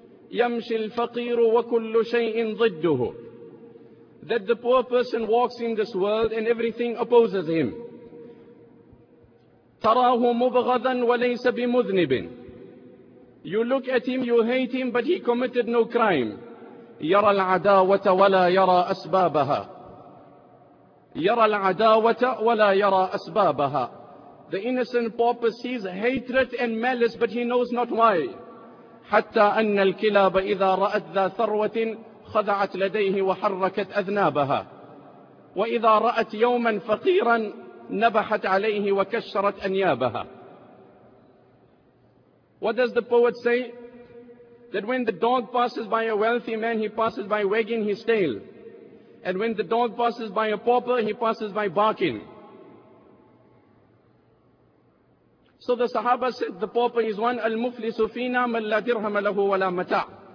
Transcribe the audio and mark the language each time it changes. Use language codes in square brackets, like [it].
[ar] يمشي الفقير وكل شيء ضده. [en] That the poor person walks in this world and everything opposes him. [ar] تراه مبغضا وليس بمذنب. [en] You look at him, you hate him, but he committed no crime. [ar] يرى العداوة ولا يرى أسبابها. يرى العداوة ولا يرى أسبابها. [en] The innocent pauper sees hatred and malice, but he knows not why. [ar] حتى أن الكلاب إذا رأت ذا ثروة خضعت لديه وحركت أذنابها. وإذا رأت يوما فقيرا نبحت عليه وكشرت أنيابها. [en] What does the poet say? That when the dog passes by a wealthy man, he passes by wagging his tail. And when the dog passes by a pauper, he passes by barking. So the Sahaba said, the pauper is one, [ar] al-muflisu fina man la dirham lahu wa la mata'.